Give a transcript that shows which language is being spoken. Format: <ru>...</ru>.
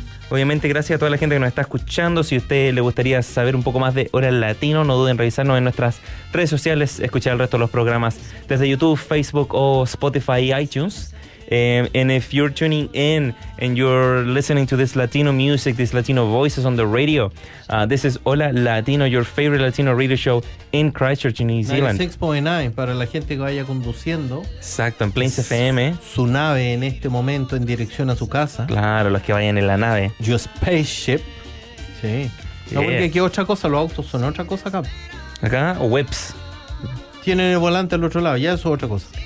<es>Obviamente, gracias a toda la gente que nos está escuchando. Si a usted le gustaría saber un poco más de Hora Latino, no duden en revisarnos en nuestras redes sociales, escuchar el resto de los programas desde YouTube, Facebook o Spotify y iTunes.</es> <en>And if you're tuning in and you're listening to this Latino music, this Latino voices on the radio, this is Hola Latino, your favorite Latino radio show in Christchurch, New Zealand.</en> <es>96.9, para la gente que vaya conduciendo. Exacto, en Plains FM. Su nave en este momento en dirección a su casa. Claro, los que vayan en la nave.</es> <en>Your spaceship. Sí. No, yeah.</en> <es>Porque aquí otra cosa, los autos son otra cosa acá. ¿Acá? ¿O whips? Tienen el volante al otro lado, ya eso es otra cosa.</es>